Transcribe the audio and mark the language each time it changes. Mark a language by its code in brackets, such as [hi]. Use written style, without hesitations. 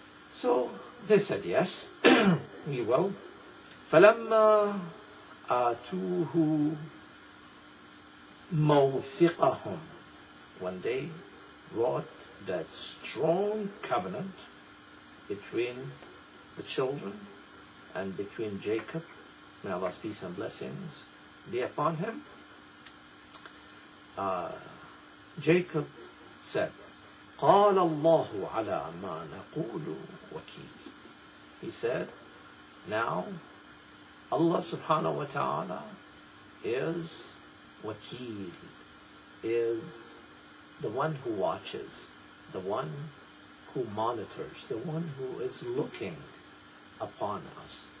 [en] So they said, yes, we will. [ar] فَلَمَّا آتُوهُ مَوْفِقَهُمْ. [en] When they brought that strong covenant between the children and between Jacob, may Allah's peace and blessings be upon him. Jacob said, [ar] قَالَ اللَّهُ عَلَى مَا نَقُولُ وَكِيلٌ. [en] He said, now Allah subhanahu wa ta'ala is wakil, is the one who watches, the one who monitors, the one who is looking upon us.